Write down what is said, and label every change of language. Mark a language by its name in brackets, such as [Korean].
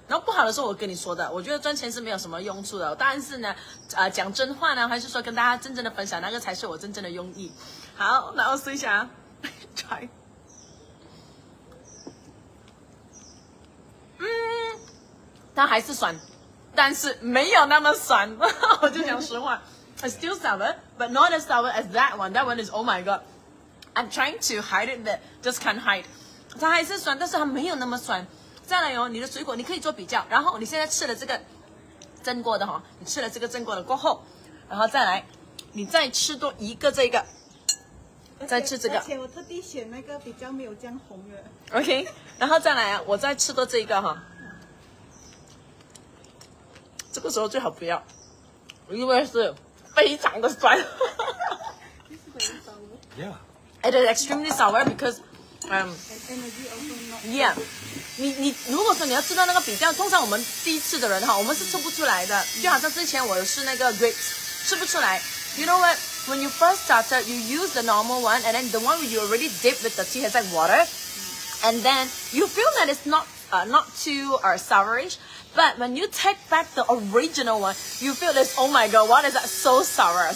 [Chinese] 然后不好的时候我跟你说的，我觉得赚钱是没有什么用处的，但是呢，讲真话呢，还是说跟大家真正的分享，那个才是我真正的用意。好，然后试一下 ，try。嗯，它还是酸，但是没有那么酸。我就讲实话， [English] It's still sour, but not as sour as that one. That one is, oh my god, I'm trying to hide it, but just can't hide. [Chinese] 它还是酸，但是它没有那么酸。再来哦，你的水果你可以做比较，然后你现在吃了这个蒸过的哈，你吃了这个蒸过的过后，然后再来，你再吃多一个这个。再吃这个，而且我特地选那个比较没有酱红的。 OK， 然后再来啊，我再吃多这一个哈。这个时候最好不要，因为是非常的酸。 [English] Yeah. It is extremely sour because, yeah. [Chinese] 你如果说你要知道那个比较，通常我们第一次的人哈，我们是吃不出来的。就好像之前我是那个 grapes， 吃不出来。 [English] You know what? When you first started, you use the normal one, and then the one where you already dip with the tea has like water, and then you feel that it's not too sourish. But when you take back the original one, you feel this, oh my god, what is that so sour?